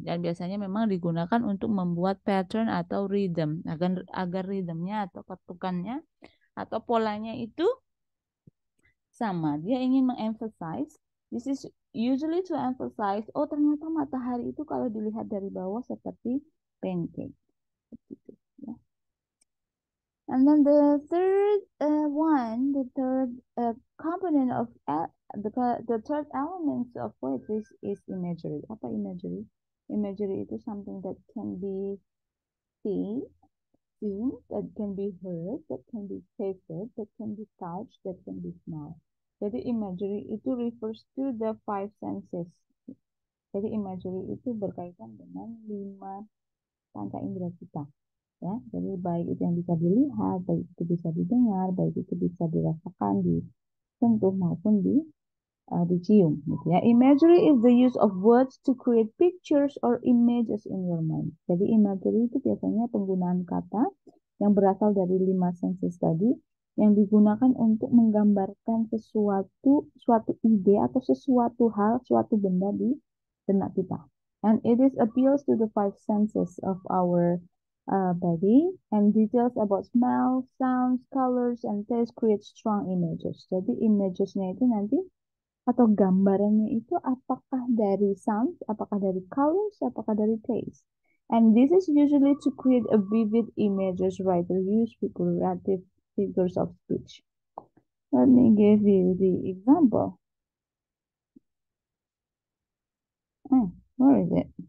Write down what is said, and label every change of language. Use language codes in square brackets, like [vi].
[id] Dan biasanya memang digunakan untuk membuat pattern atau rhythm. Agar rhythmnya atau ketukannya atau polanya itu sama. Dia ingin mengemphasize. [en] This is usually to emphasize. [id] Oh, ternyata matahari itu kalau dilihat dari bawah seperti pancake. Begitu, ya. [en] And then the third one, the third component of the third element of poetry is imagery. [id] Apa imagery? [en] Imagery itu something that can be seen, that can be heard, that can be tasted, that can be touched, that can be smelled. [id] Jadi imagery itu [en] refers to the 5 senses. [id] Jadi imagery itu berkaitan dengan 5 panca indera kita. Ya, jadi baik itu yang bisa dilihat, baik itu bisa didengar, baik itu bisa dirasakan, disentuh maupun dicium. Gitu ya. [en] Imagery is the use of words to create pictures or images in your mind. [id] Jadi imagery itu biasanya penggunaan kata yang berasal dari 5 senses tadi, yang digunakan untuk menggambarkan sesuatu, suatu ide atau sesuatu hal, suatu benda di benak kita. [en] And it is appeals to the 5 senses of our body, and details about smell, sounds, colors, and taste create strong images. [id] Jadi images-nya itu nanti atau gambarannya itu apakah dari sounds, apakah dari colors, apakah dari taste. [en] And this is usually to create a vivid images writer use figurative figures of speech. Let me give you the example. Where is it?